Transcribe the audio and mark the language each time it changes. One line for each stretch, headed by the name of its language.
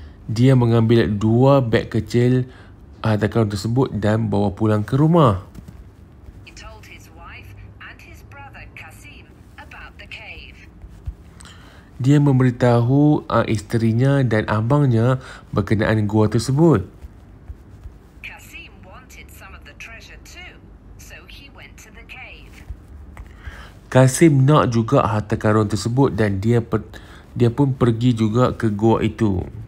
Malay: Dia mengambil dua beg kecil harta karun tersebut dan bawa pulang ke rumah.
English: He told his wife and his brother Kasim about
Malay: dia memberitahu isterinya dan abangnya berkenaan gua tersebut.
English: Kasim wanted some of the treasure too, so he went to the cave.
Malay: Kasim nak juga harta karun tersebut dan dia dia pun pergi juga ke gua itu.